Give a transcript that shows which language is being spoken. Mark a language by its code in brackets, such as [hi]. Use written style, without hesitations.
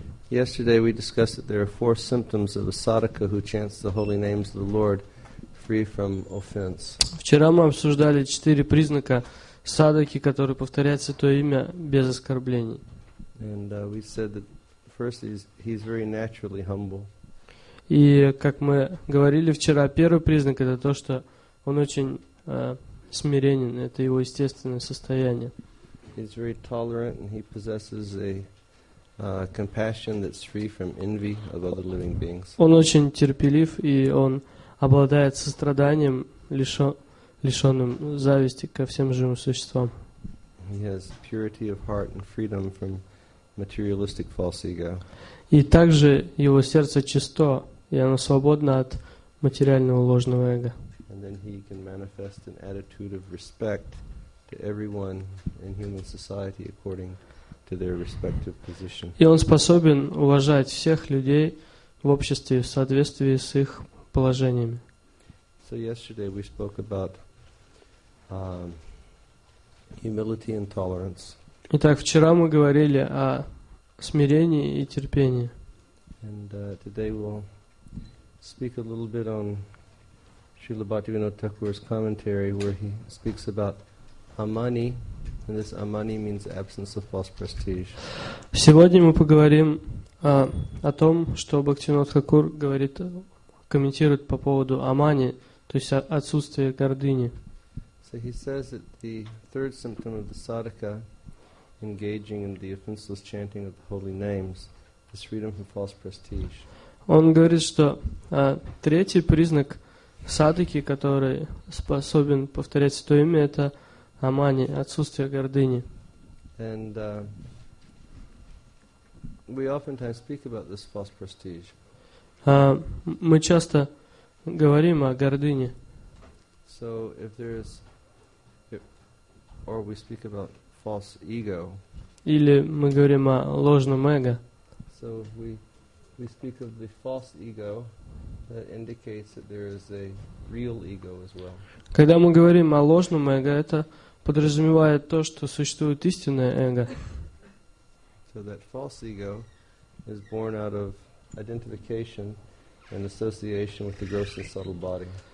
[en] Yesterday we discussed that there are four symptoms of a sadhaka who chants the holy names of the Lord free from offense. [ru] Вчера мы обсуждали четыре признака садаки, который повторяет Святое Имя без оскорблений. [en] And we said that first he's very naturally humble. [ru] И как мы говорили вчера, первый признак это то, что он очень смиренен, это его естественное состояние. [en] He's very tolerant and he possesses a compassion that's free from envy of other living beings. [ru] Он очень терпелив и он обладает состраданием, лишенным зависти ко всем живым существам. [en] He has purity of heart and freedom from materialistic false ego. [ru] И также его сердце чисто, и оно свободно от материального ложного эго. [en] And then he can manifest an attitude of respect to everyone in human society according to their respective position. [ru] И он способен уважать всех людей в обществе в соответствии с их положениями. [en] So yesterday we spoke about humility and tolerance. [ru] Итак, вчера мы говорили о смирении и терпении. [en] And today we'll speak a little bit on Srila Bhaktivinoda Thakur's commentary where he speaks about amani, and this amani means absence of false prestige. [ru] Сегодня мы поговорим о том, что Бхактивинода Тхакур говорит, комментирует по поводу амани, то есть отсутствия гордыни. [en] So he says that the third symptom of the sadhaka engaging in the offenseless chanting of the holy names is freedom from false prestige. [ru] Он говорит, что третий признак садхаки, который способен повторять Святое Имя, это амани, отсутствие гордыни. [en] And we oftentimes speak about this false prestige. [ru] Мы часто говорим о гордыне. [en] So if there is or we speak about false ego. [ru] Или мы говорим о ложном эго. [en] So we speak of the false ego that indicates that there is a real ego as well. [ru] Когда мы говорим о ложном эго, это подразумевает то, что существует истинное эго. [en] So that false ego is born out of identification and association with the gross and subtle body.